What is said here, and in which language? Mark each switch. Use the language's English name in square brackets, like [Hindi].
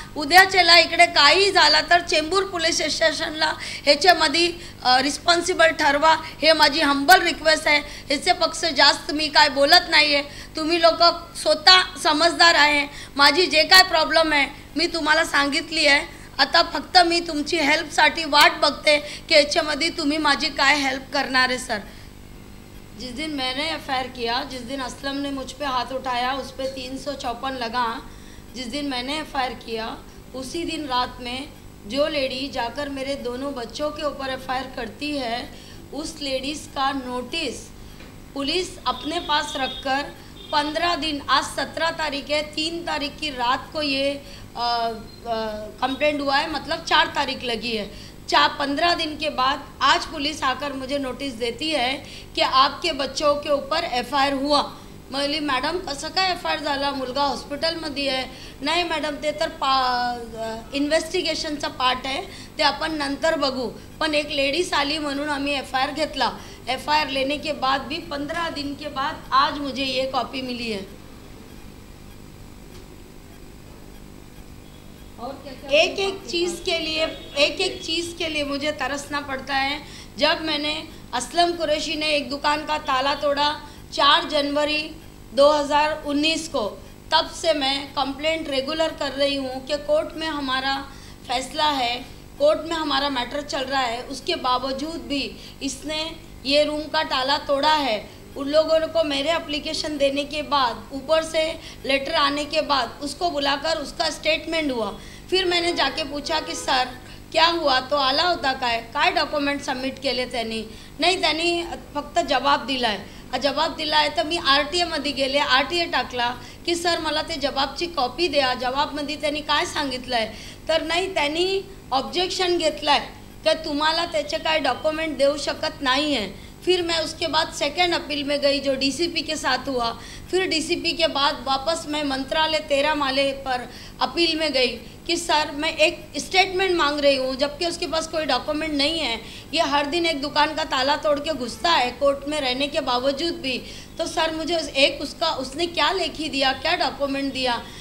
[Marathi] उद्याच्याला इकडे काही झाला तर चेंबूर पोलीस स्टेशनला ह्याच्यामध्ये रिस्पॉन्सिबल ठरवा, हे माझी हंबल रिक्वेस्ट आहे। ह्याचे पक्ष जास्त मी काय बोलत नाही आहे, तुम्ही लोक स्वतः समजदार आहे, माझी जे काय प्रॉब्लेम आहे मी तुम्हाला सांगितली आहे, आता फक्त मी तुमची हेल्पसाठी वाट बघते की ह्याच्यामध्ये तुम्ही माझी काय हेल्प करणार आहे। [Hindi] सर, जिस दिन मैंने एफआयआर किया, जिस दिन असलम ने मुझ पर हाथ उठाया, उस पर 354 लगा, जिस दिन मैंने एफआयआर किया उसी दिन रात में जो लेडी जाकर मेरे दोनों बच्चों के ऊपर एफआयआर करती है, उस लेडीज़ का नोटिस पुलिस अपने पास रखकर 15 दिन, आज 17 तारीख है, 3 तारीख की रात को ये कंप्लेंट हुआ है, मतलब 4 तारीख लगी है, 15 दिन के बाद आज पुलिस आकर मुझे नोटिस देती है कि आपके बच्चों के ऊपर एफआयआर हुआ। मैं बोली मैडम [Marathi] कसा का एफआयआर झाला, मुलगा हॉस्पिटल मध्ये आहे। नाही मॅडम, ते तर इन्व्हेस्टिगेशनचा पार्ट आहे, ते आपण नंतर बघू, पण एक लेडीज आली म्हणून आम्ही एफआयआर घेतला। [Hindi] एफआयआर लेने के बाद भी 15 दिन के बाद आज मुझे ये कॉपी मिली है। एक एक चीज के लिए, एक एक चीज के लिए मुझे तरसना पड़ता है। जब मैंने असलम कुरैशी ने एक दुकान का ताला तोड़ा 4 जनवरी 2019 को, तब से मैं कंप्लेंट रेगुलर कर रही हूँ कि कोर्ट में हमारा फैसला है, कोर्ट में हमारा मैटर चल रहा है, उसके बावजूद भी इसने ये रूम का ताला तोड़ा है। उन लोगों को मेरे एप्लीकेशन देने के बाद, ऊपर से लेटर आने के बाद, उसको बुलाकर उसका स्टेटमेंट हुआ। फिर मैंने जाके पूछा कि सर क्या हुआ, [Marathi] तो आला होता का है काय डॉक्यूमेंट सबमिट के लिए त्यांनी, नहीं त्यांनी फक्त जवाब दिला है, जवाब दिला है तो मी आरटीए मध्ये गेले, आरटीए टाकला कि सर मला ते जवाबची कॉपी द्या, जवाब मध्ये त्यांनी काय सांगितलं आहे, तर नाही त्यांनी ऑब्जेक्शन घेतलंय की तुम्हाला त्याचे काय डॉक्यूमेंट देऊ शकत नाही है। [Hindi] फिर मैं उसके बाद सेकेंड अपील में गई, जो डीसीपी के साथ हुआ, फिर डीसीपी के बाद वापस मैं मंत्रालय 13 माले पर अपील में गई कि सर मैं एक स्टेटमेंट मांग रही हूँ, जबकि उसके पास कोई डॉक्यूमेंट नहीं है, ये हर दिन एक दुकान का ताला तोड़ के घुसता है कोर्ट में रहने के बावजूद भी, तो सर मुझे एक उसका उसने क्या लेखी दिया, क्या डॉक्यूमेंट दिया?